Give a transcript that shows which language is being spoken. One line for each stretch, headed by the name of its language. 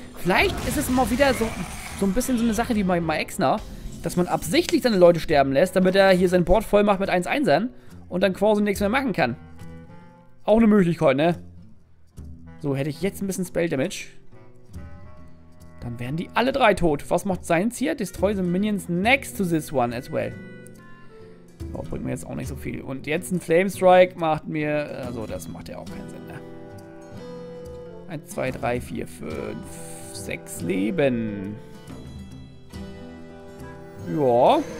German: Vielleicht ist es immer wieder so ein bisschen so eine Sache wie bei Exner, dass man absichtlich seine Leute sterben lässt, damit er hier sein Board voll macht mit 1-1ern und dann quasi nichts mehr machen kann. Auch eine Möglichkeit, ne? So, hätte ich jetzt ein bisschen Spell Damage. Dann wären die alle drei tot. Was macht seins hier?
English: Destroy the minions next to this one as well.
German: Das bringt mir jetzt auch nicht so viel. Und jetzt ein Flamestrike macht mir... Also, das macht ja auch keinen Sinn, ne? 1, 2, 3, 4, 5, 6 Leben. Ja.